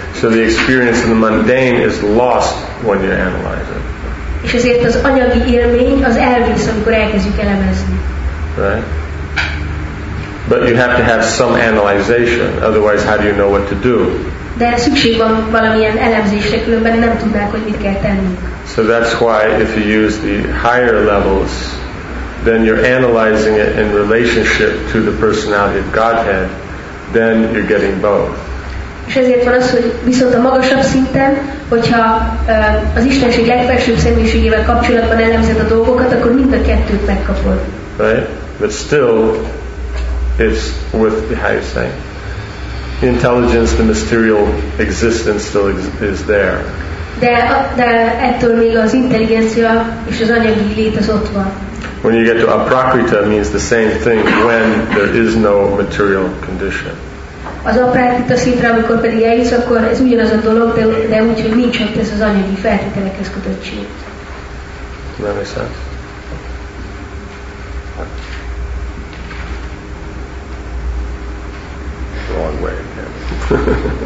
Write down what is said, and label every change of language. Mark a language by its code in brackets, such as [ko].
[en] So the experience in the mundane is lost when you analyze it. [hu] És ezért az anyagi élmény az elvész, amikor elkezdjük elemezni. [en] Right? But you have to have some analyzation, otherwise how do you know what to do? [hu] De szükség van valamilyen elemzésre, különben nem tudnák, hogy mit kell tennünk. [en] So that's why if you use the higher levels, then you're analyzing it in relationship to the personality of Godhead, then you're getting both. [hu] És ezért van az, hogy viszont a magasabb szinten, hogyha az Istenség legfelsőbb személyiségével kapcsolatban elemzed a dolgokat, akkor mind a kettőt megkapod. [en] Right? But still, it's with the higher thing. The intelligence, the mysterious existence still is there. [hu] De ettől még az intelligencia és az anyagi lét az ott van. [en] When you get to aprakrita, it means the same thing when there is no material condition. [hu] Az aprakrita szintre, amikor pedig eljutsz, akkor ez ugyanaz a dolog, de úgy, hogy nincs ott ez az anyagi feltételekhez kötöttség. [en] That makes sense. Wrong way again.